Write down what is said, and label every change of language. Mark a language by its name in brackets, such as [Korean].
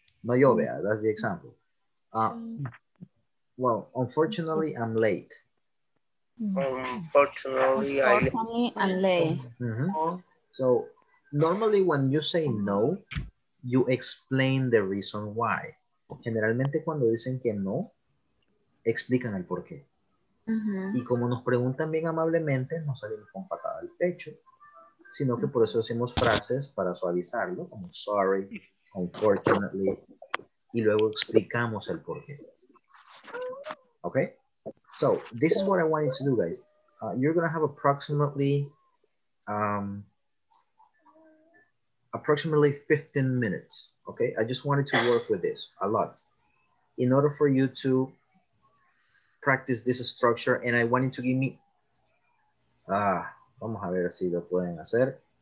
[Spanish] No llovea, [English] that's the example. Well, unfortunately, I'm late. Unfortunately, I'm late. So, normally when you say no, you explain the reason why. [Spanish] Generalmente cuando dicen que no, explican el por qué. Y como nos preguntan bien amablemente, no salimos con patada al pecho, sino que por eso decimos frases para suavizarlo, como sorry, unfortunately, y luego explicamos el por qué. [English] Okay? So, this is what I want you to do, guys. You're going to have approximately 15 minutes, okay? I just wanted to work with this a lot in order for you to practice this structure, and I wanted to give me, vamos a ver si lo pueden hacer.